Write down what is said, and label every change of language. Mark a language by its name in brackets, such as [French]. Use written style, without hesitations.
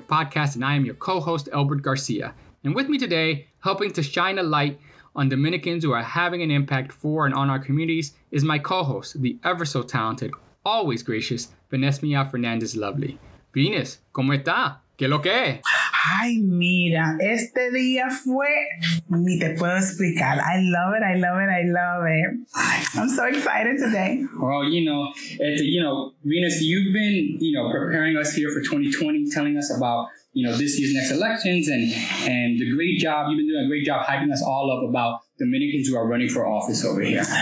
[English] Podcast, and I am your co-host, Albert Garcia. And with me today, helping to shine a light on Dominicans who are having an impact for and on our communities, is my co-host, the ever so talented, always gracious, Venesmia Fernandez Lovely. [Spanish] Venus, ¿cómo está? ¿Qué lo que? Ay, mira, este día fue, ni te puedo explicar. [English] I love it. I'm so excited today. Well, Venus, you've been, preparing us here for 2020, telling us about, this year's next elections and the great job. You've been doing a great job hyping us all up about Dominicans who are running for office over here.